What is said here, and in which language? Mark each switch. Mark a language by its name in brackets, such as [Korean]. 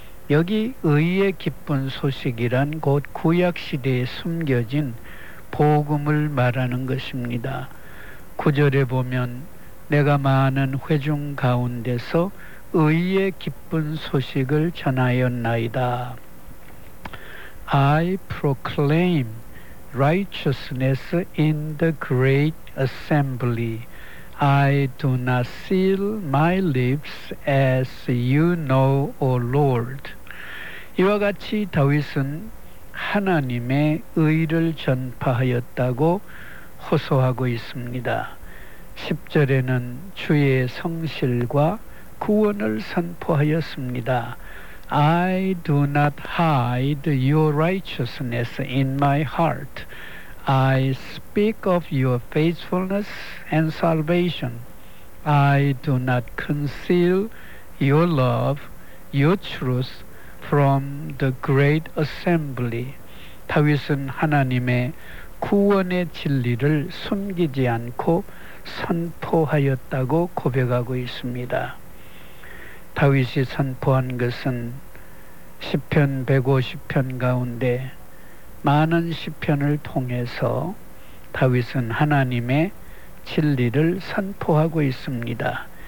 [Korean] 여기 의의 기쁜 소식이란 곧 구약시대에 숨겨진 복음을 말하는 것입니다. 9절에 보면 내가 많은 회중 가운데서 의의 기쁜 소식을 전하였나이다. [English] I proclaim righteousness in the great assembly. I do not seal my lips as you know, O Lord. [Korean] 이와 같이 다윗은 하나님의 의를 전파하였다고 호소하고 있습니다. 10절에는 주의 성실과 구원을 선포하였습니다. [English] I do not hide your righteousness in my heart. I speak of your faithfulness and salvation. I do not conceal your love, your truth from the great assembly. [Korean] 다윗은 하나님의 구원의 진리를 숨기지 않고 선포하였다고 고백하고 있습니다. 다윗이 선포한 것은 시편 150편 가운데 많은 시편을 통해서 다윗은 하나님의 진리를 선포하고 있습니다.